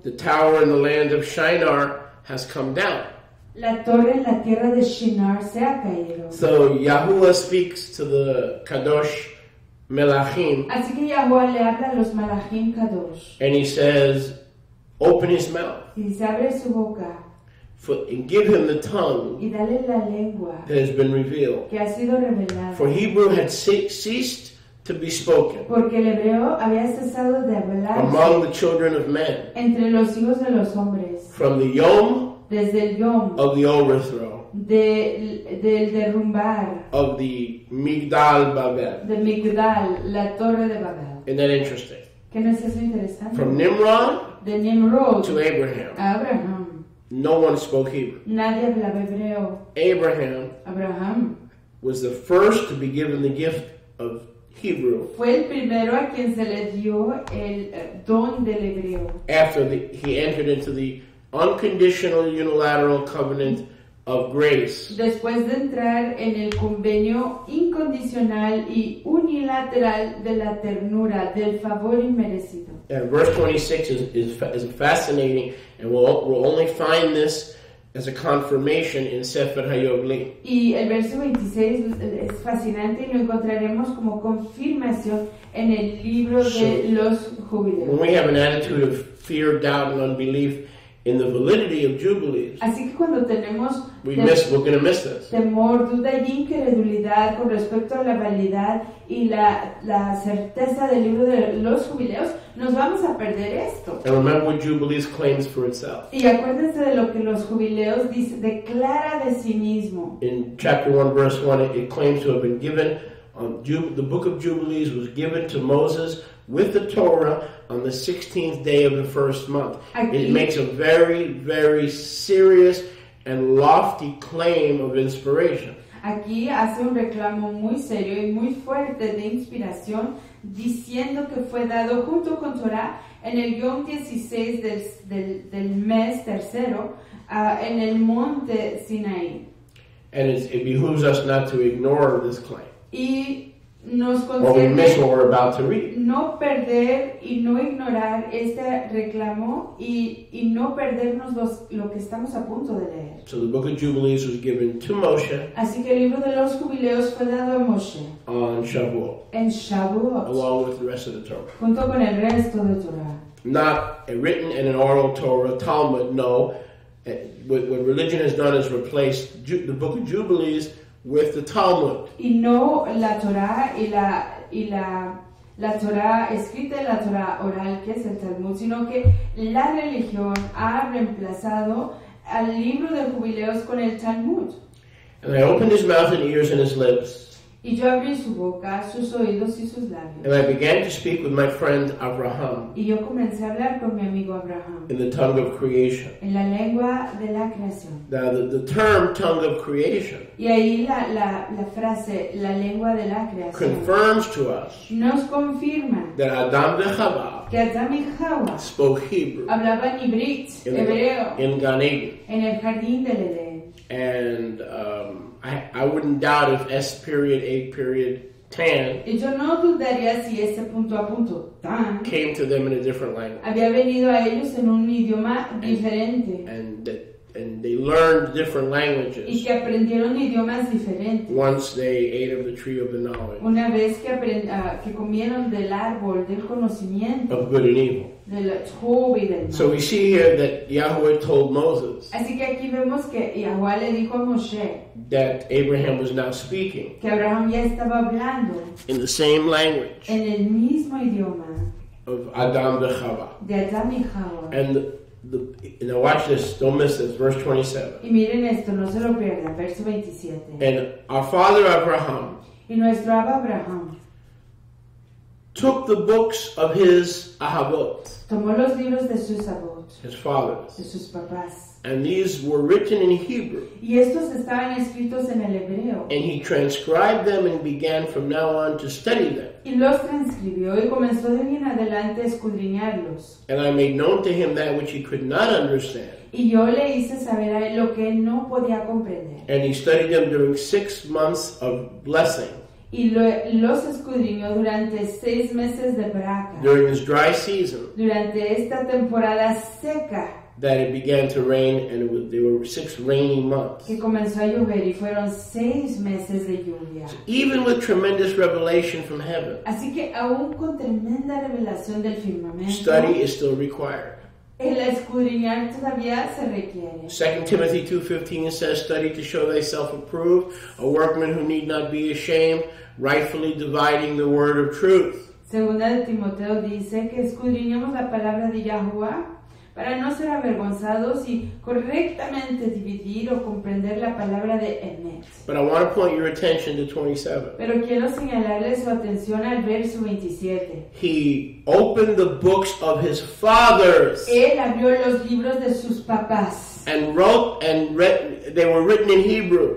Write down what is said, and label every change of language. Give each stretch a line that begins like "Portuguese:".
English: the tower in the land of Shinar has come down.
Spanish: La torre en la tierra de Shinar se ha caído.
English: So Yahuwah speaks to the Kadosh Melachim.
Spanish: Así que Yahuwah le habla a los Melachim Kadosh.
English: And he says, open his mouth.
Spanish: Y se abre su boca.
English: And give him the tongue.
Spanish: Y dale la lengua.
English: That has been revealed.
Spanish: Que ha sido revelada.
English: For Hebrew had ceased to be spoken.
Spanish: Porque el hebreo había cesado de hablar.
English: Among the children of men.
Spanish: Entre los hijos de los hombres.
English: From the Yom.
Spanish: Desde el yom,
English: of the overthrow,
Spanish: del derrumbar,
English: of the Migdal Babel,
Spanish: de Migdal, la torre de Babel.
English: Isn't that interesting?
Spanish: ¿Qué no es eso interesante?
English: From Nimrod,
Spanish: de Nimrod,
English: to Abraham,
Spanish: Abraham,
English: No one spoke Hebrew.
Spanish: Nadie hablaba hebreo.
English: Abraham was the first to be given the gift of Hebrew.
Spanish: Fue el primero a quien se le dio el don del hebreo.
English: After he entered into the unconditional unilateral covenant of grace.
Spanish: Después de entrar en el convenio incondicional y unilateral de la ternura, del favor inmerecido.
English: And verse 26 is fascinating, and we'll only find this as a confirmation in Sefer Hayovli.
Spanish: Y el verso 26 es fascinante y lo encontraremos como confirmación en el libro de los Jubilees.
English: When we have an attitude of fear, doubt, and unbelief in the validity of Jubilees,
Spanish: así que cuando tenemos
English: we're going to miss this.
Spanish: Temor, duda y incredulidad con respecto a la validad y la certeza del libro de los Jubileos, nos vamos a perder esto.
English: And remember what Jubilees claims for itself.
Spanish: Y acuérdense de lo que los Jubileos dice, declara de sí mismo.
English: In chapter 1, verse 1, it claims to have been given, the book of Jubilees was given to Moses with the Torah on the 16th day of the first month.
Spanish: Aquí,
English: it makes a very, very serious and lofty claim of inspiration.
Spanish: Aquí hace un reclamo muy serio y muy fuerte de inspiración, diciendo que fue dado junto con Torah en el Yom 16 del mes tercero, en el monte Sinaí.
English: And it behooves us not to ignore this claim.
Spanish: Y nos concierne,
English: or we miss what we're about to read.
Spanish: No perder y no ignorar este reclamo y no perdernos lo que estamos a punto de leer.
English: So the book of Jubilees was given to Moshe.
Spanish: Así que el libro de los Jubileos fue dado a Moshe.
English: On Shavuot.
Spanish: En Shavuot.
English: Along with the rest of the Torah.
Spanish: Junto con el resto de Torah.
English: Not a written and an oral Torah, Talmud, no. What religion has done is replaced the book of Jubilees with the Talmud.
Spanish: Y no la Torah y la Torah escrita y la Torah oral, que es el Talmud, sino que la religión ha reemplazado al libro de Jubileos con el Talmud.
English: And I opened his mouth and ears and his lips.
Spanish: Y yo abrí su boca, sus oídos y sus labios.
English: And I began to speak with my friend Abraham.
Spanish: Y yo comencé a hablar con mi amigo Abraham.
English: In the tongue of creation.
Spanish: En la lengua de la creación.
English: Now the term tongue of creation.
Spanish: Y ahí la frase, la lengua de la creación.
English: Confirms to us.
Spanish: Nos confirma.
English: That Adam de Chava.
Spanish: Que Adam y Chava.
English: Spoke Hebrew.
Spanish: Hablaban ibrit, hebreo.
English: In Gan Eden.
Spanish: En el jardín del Edén.
English: And I wouldn't doubt if S period, A period, tan,
Spanish: y yo no dudaría si ese punto a punto, tan,
English: came to them in a different language.
Spanish: Había venido a ellos en un idioma diferente.
English: And they learned different languages.
Spanish: Y que aprendieron idiomas diferentes.
English: Once they ate of the tree of the knowledge.
Spanish: Una vez que comieron del árbol del conocimiento.
English: Of good and evil. So we see here that Yahweh told Moses.
Spanish: Así que aquí vemos que Yahweh le dijo a Moshe
English: that Abraham was now speaking.
Spanish: Que Abraham ya estaba hablando.
English: In the same language.
Spanish: En el mismo idioma.
English: Of Adam and Chava.
Spanish: De Adam y Chava.
English: And now watch this. Don't miss this. Verse 27.
Spanish: Y miren esto, no se lo pierdan. Verso 27.
English: And our father Abraham.
Spanish: Y nuestro Abba Abraham.
English: Took the books of his ahavot.
Spanish: Tomó los libros de sus avot.
English: His fathers.
Spanish: De sus papás.
English: And these were written in Hebrew.
Spanish: Y estos estaban escritos en el hebreo.
English: And he transcribed them and began from now on to study them.
Spanish: Y los transcribió y comenzó de ahí en adelante a escudriñarlos.
English: And I made known to him that which he could not understand.
Spanish: Y yo le hice saber a él lo que él no podía comprender.
English: And he studied them during 6 months of blessing.
Spanish: Y los escudriñó durante 6 meses de braca.
English: During this dry season.
Spanish: Durante esta temporada seca.
English: That it began to rain and there were 6 rainy months.
Spanish: Que comenzó a llover y fueron 6 meses de lluvia.
English: So even with tremendous revelation from heaven.
Spanish: Así que aún con tremenda revelación del firmamento.
English: Study is still required.
Spanish: El escudriñar todavía se requiere.
English: 2 Timothy 2:15 says, study to show thyself approved, a workman who need not be ashamed, rightfully dividing the word of truth.
Spanish: 2 Timoteo dice que escudriñemos la palabra de Yahuwah para no ser avergonzados y correctamente dividir o comprender la palabra de Emet.
English: But I want to point your attention to 27.
Spanish: Pero quiero señalarle su atención al verso 27.
English: He opened the books of his fathers.
Spanish: Él abrió los libros de sus papás.
English: And wrote and they were written in Hebrew.